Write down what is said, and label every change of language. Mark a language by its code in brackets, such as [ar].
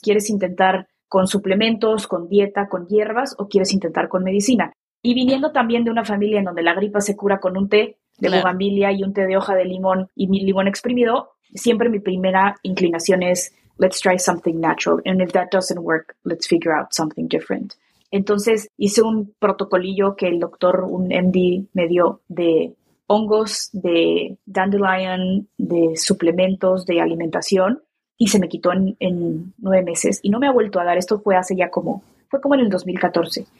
[es] ¿Quieres intentar con suplementos, con dieta, con hierbas o quieres intentar con medicina? Y viniendo también de una familia en donde la gripa se cura con un té de bugambilia y un té de hoja de limón y mi limón exprimido, siempre mi primera inclinación es, [en] let's try something natural. And if that doesn't work, let's figure out something different. [es] Entonces hice un protocolillo que el doctor, un MD, me dio de hongos, de dandelion, de suplementos, de alimentación, y se me quitó en 9 meses. Y no me ha vuelto a dar. Esto fue hace ya como, fue como en el 2014.